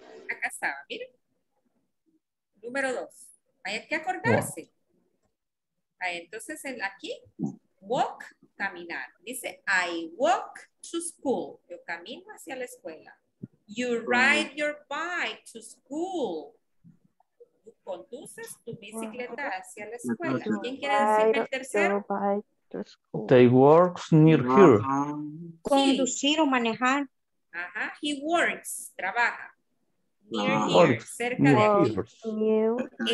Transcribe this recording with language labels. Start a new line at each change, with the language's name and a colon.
Spanish: Acá estaba, miren. Número dos. Hay que acordarse. Ahí, entonces, aquí, walk, caminar. Dice,
English: I walk to school.
Spanish: Yo camino hacia la escuela.
English: You ride your bike to school.
Spanish: Tú conduces tu bicicleta hacia la escuela. ¿Quién quiere decir el tercero?
English: They work near here.
Spanish: Conducir o manejar. Ajá,
English: he works,
Spanish: trabaja.
English: Near here,
Spanish: cerca de aquí.